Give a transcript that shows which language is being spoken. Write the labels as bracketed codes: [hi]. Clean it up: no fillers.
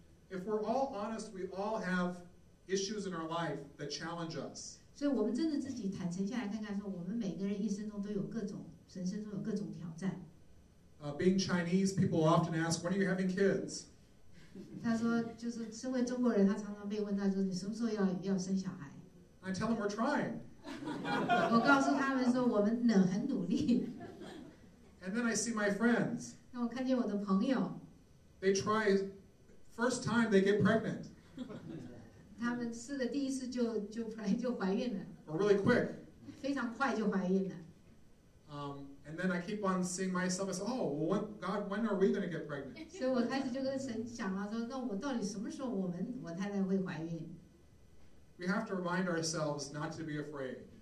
[en] If we're all honest, we all have issues in our life that challenge us. [zh] 所以我们真的自己坦诚下来看看，说我们每个人一生中都有各种，人生中有各种挑战。 [en] Being Chinese, people often ask, when are you having kids? [zh] 他说就是身为中国人，他常常被问到，就是你什么时候要生小孩？ [en] I tell them we're trying. [zh] 我告诉他们说我们很努力。 [en] And then I see my friends. [zh] 那我看见我的朋友。 [en] They try, first time they get pregnant. [zh] 他们试了第一次就怀孕了。 [en] Or really quick. [zh] 非常快就怀孕了。 [en] And then I keep on seeing myself as, oh, well, when, God, when are we going to get pregnant? So I started to ask God, what time is my wife going to get pregnant? We have to remind ourselves not to be afraid.